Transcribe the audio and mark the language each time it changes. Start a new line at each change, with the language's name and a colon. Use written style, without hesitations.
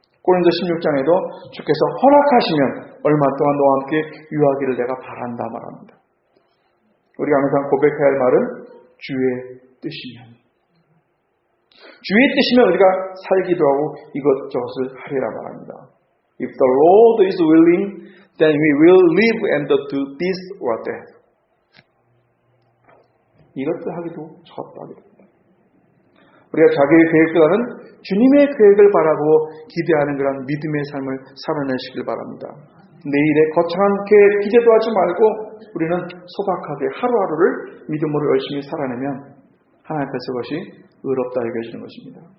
Korean: 고린도 16장에도 주께서 허락하시면 얼마 동안 너와 함께 유하기를 내가 바란다 말합니다. 우리가 항상 고백해야 할 말은 주의 뜻이면. 주의 뜻이면 우리가 살기도 하고 이것저것을 하리라 말합니다.
English: If the Lord is willing, then we will live and do this or that.
Korean: 이것도 하기도 저것도 하기도. 우리가 자기의 계획보다는 주님의 계획을 바라고 기대하는 그런 믿음의 삶을 살아내시길 바랍니다. 내일의 거창한 계획 기대도 하지 말고 우리는 소박하게 하루하루를 믿음으로 열심히 살아내면 하나님께서 그것이 의롭다 여겨지는 것입니다.